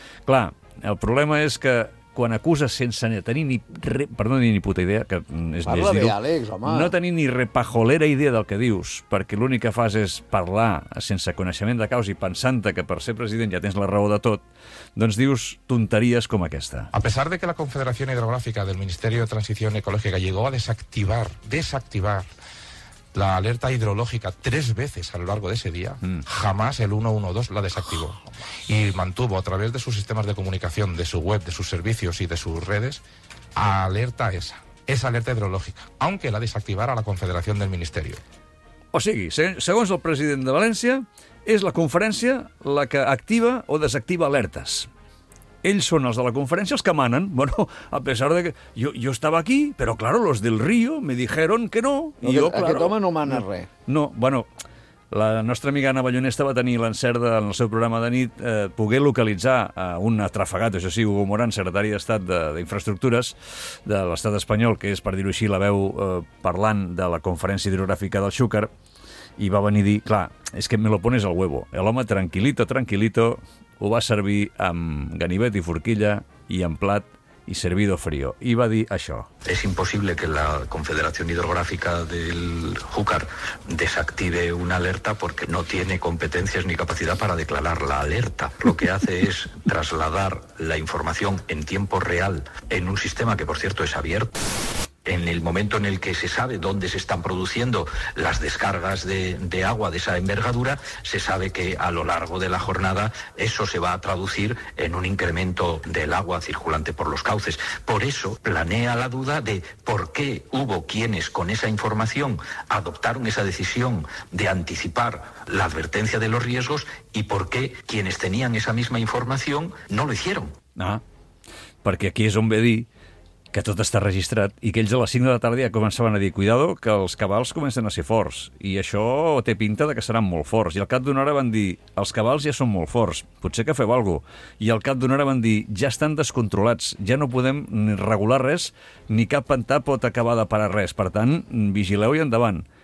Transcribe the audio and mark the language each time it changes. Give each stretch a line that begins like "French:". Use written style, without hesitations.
Catalan: Clar, el problema és que quan acuses sense tenir ni... ni puta idea, que és parla més dir-ho. Parla bé, Àlex, home. No tenir ni repajolera idea del que dius, perquè l'únic que fas és parlar sense coneixement de causa i pensant-te que per ser president ja tens la raó de tot, doncs dius tonteries com aquesta.
Spanish: A pesar de que la Confederación Hidrográfica del Ministerio de Transición Ecológica llegó a desactivar la alerta hidrológica 3 veces a lo largo de ese día, jamás el 112 la desactivó. Y mantuvo a través de sus sistemas de comunicación, de su web, de sus servicios y de sus redes, alerta esa alerta hidrológica, aunque la desactivara la Confederación del Ministerio.
Catalan: O sigui, segons el president de València, és la conferència la que activa o desactiva alertes. Ells són els de la conferència els que manen.
Spanish: Bueno, a pesar de que...
Catalan: Jo estava aquí, però,
Spanish: claro, los del río me dijeron que no.
Catalan: I jo,
Spanish: claro,
Catalan: aquest home no mana res. No, bueno, la nostra amiga Ana Ballonesta va tenir l'encert en el seu programa de nit poder localitzar un atrafegat, això sí, Hugo Morán, secretari d'Estat d'Infraestructures de l'Estat espanyol, que és, per dir-ho així, la veu parlant de la conferència hidrogràfica del Xúcar, i va venir a dir, clar, és que
Spanish: me lo pones al huevo.
Catalan: L'home, tranquilito, ho va servir amb ganivet i forquilla i amb plat i
Spanish: servido frío.
Catalan: I va dir això.
Spanish: Es imposible que la Confederación Hidrográfica del Júcar desactive una alerta porque no tiene competencias ni capacidad para declarar la alerta. Lo que hace es trasladar la información en tiempo real en un sistema que, por cierto, es abierto. En el momento en el que se sabe dónde se están produciendo las descargas de agua de esa envergadura, se sabe que a lo largo de la jornada eso se va a traducir en un incremento del agua circulante por los cauces. Por eso planea la duda de por qué hubo quienes con esa información adoptaron esa decisión de anticipar la advertencia de los riesgos y por qué quienes tenían esa misma información no lo hicieron. Ah, porque aquí es un bedí
Catalan: que tot està registrat, i que ells a les 5 de la tarda ja començaven a dir cuidado, que els cabals comencen a ser forts, i això té pinta de que seran molt forts. I al cap d'una hora van dir, els cabals ja són molt forts, potser que feu alguna cosa. I al cap d'una hora van dir, ja estan descontrolats, ja no podem ni regular res, ni cap pantà pot acabar de parar res, per tant, vigileu i endavant.